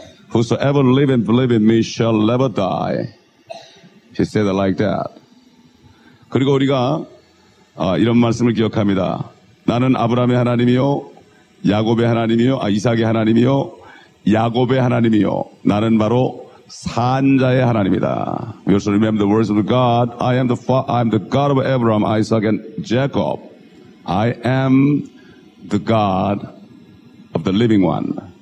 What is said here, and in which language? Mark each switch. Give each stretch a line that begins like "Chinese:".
English: Whosoever live and believe in me shall never die. He said it like that.
Korean: 그리고 우리가 이런 말씀을 기억합니다. 나는 아브라함의 하나님이요, 야곱의 하나님이요, 이삭의 하나님이요, 야곱의 하나님이요. 나는 바로 산자의 하나님이다.
English: We also remember the words of God. I am the God of Abraham, Isaac, and Jacob. I am the God of the living one.